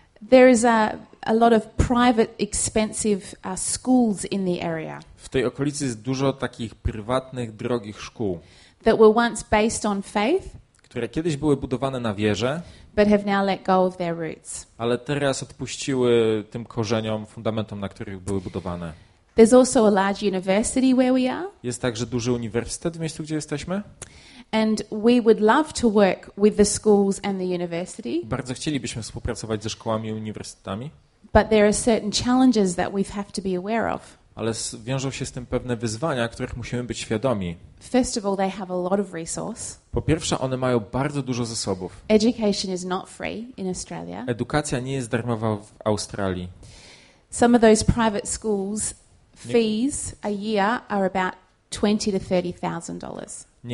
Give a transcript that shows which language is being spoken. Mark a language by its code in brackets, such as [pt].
[en] There is a lot of private expensive schools in the area. [pl] W tej okolicy jest dużo takich prywatnych drogich szkół. [en] That were once based on faith. [pl] Które kiedyś były budowane na wierze. [en] But have now let go of their roots. [pl] Ale teraz odpuściły tym korzeniom, fundamentom, na których były budowane. [en] There's also a large university where we are. [pl] Jest także duży uniwersytet w miejscu, gdzie jesteśmy. [en] And we would love to work with the schools and the university. [pl] Bardzo chcielibyśmy współpracować ze szkołami i uniwersytetami. [en] But there are certain challenges that we have to be aware of. [pl] Ale wiążą się z tym pewne wyzwania, których musimy być świadomi. [en] First of all, they have a lot of resources. [pl] Po pierwsze, one mają bardzo dużo zasobów. [en] Education is not free in Australia. [pl] Edukacja nie jest darmowa w Australii. [en] Some of those private schools fees a year are about $20,000 to $30,000.